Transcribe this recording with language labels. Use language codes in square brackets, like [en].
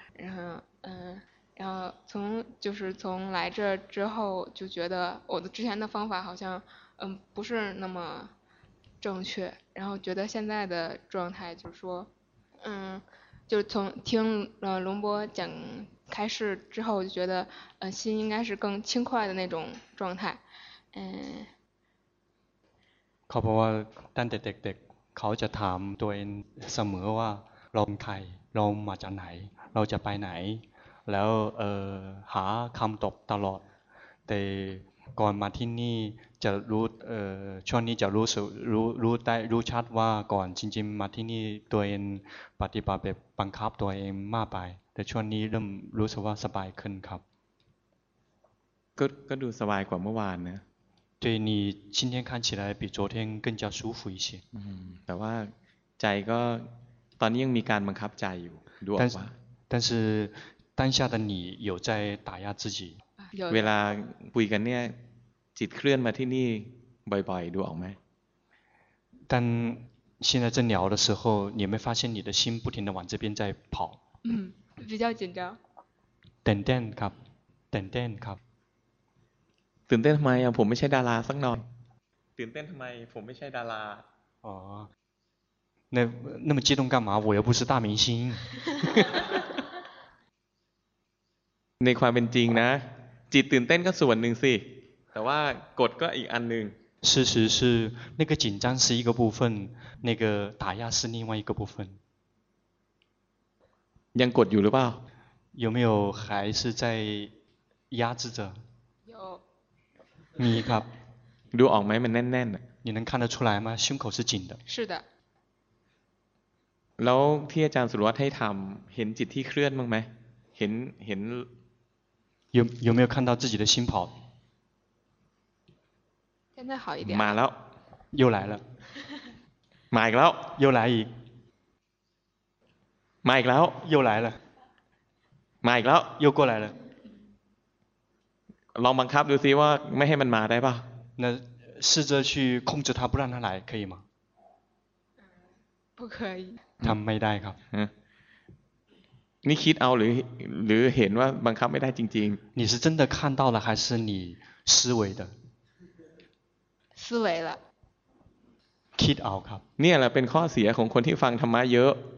[zh] 然后然后从来这之后就觉得我的之前的方法好像不是那么正确，然后觉得现在的状态就是说就是从听了龙波讲开示之后，就觉得心应该是更轻快的那种状态。 [th] เขาบอกว่าตั้งแต่เด็กๆเขาจะถามตัวเองเสมอว่าเราเป็นใครเรามาจากไหนเราจะไปไหนแล้วหาคำตอบตลอดแต่ก่อนมาที่นี่จะรู้ช่วงนี้จะรู้สึกรู้ได้รู้ชัดว่าก่อนจริงๆมาที่นี่ตัวเองปฏิบัติแบบบังคับตัวเองมากไปแต่ช่วงนี้เริ่มรู้สึกว่าสบายขึ้นครับ ก็ดูสบายกว่าเมื่อวานนะ [zh] 对你今天看起来比昨天更加舒服一些 [th] แต่ว่าใจก็ตอนนี้ยังมีการบังคับใจอยู่ดูออกว่า [zh] 但是当下的你有在打压自己。 [th] เวลาคุยกันเนี่ยจิตเคลื่อนมาที่นี่บ่อยๆดูออกไหม？ [zh] 但现在在聊的时候，你有没有发现你的心不停的往这边在跑？比较紧张。 [th] เต้นๆครับ เต้นๆครับ ตื่นเต้นทำไมอ่ะ ผมไม่ใช่ดาราสักหน่อย ตื่นเต้นทำไมผมไม่ใช่ดารา [zh] 哦，那么激动干嘛？我又不是大明星。 [th] ในความเป็นจริงนะจิตตื่นเต้นก็ส่วนหนึ่งสิแต่ว่ากฎก็อีกอันหนึ่ง [zh] 事实是那个紧张是一个部分那个打压是另外一个部分 [th] ยังกดอยู่หรือเปล่า [zh] 有没有还是在压制着有 [th] มีครับ ดูออกไหมมันแน่นๆ [zh] 你能看得出来吗胸口是紧的是的 [th] แล้วที่อาจารย์สุรวัฒน์ให้ทำเห็นจิตที่เคลื่อนบ้างไหมเห็น [zh] 有没有看到自己的心跑？现在好一点。 [th] มาแล้ว [zh] 又来了。 [th] มาอีกแล้ว [zh] 又来 [th] อีก。 มาอีกแล้ว [zh] 又来了。 [th] มาอีกแล้ว [zh] 又过来了。 [th] ลองบังคับดูซิว่าไม่ให้มันมาได้ป่ะ？ [zh] 那试着去控制它，不让它来，可以吗？不可以。 [th] ทำไม่ได้ครับ。 นี่คิดเอาหรือเห็นว่าบังคับไม่ได้จริง [zh] ๆ你是真的看到了还是你思维的思维了 [th] คิดเอาครับ เนี่ยแหละเป็นข้อเสียของคนที่ฟังธรรมะเยอะ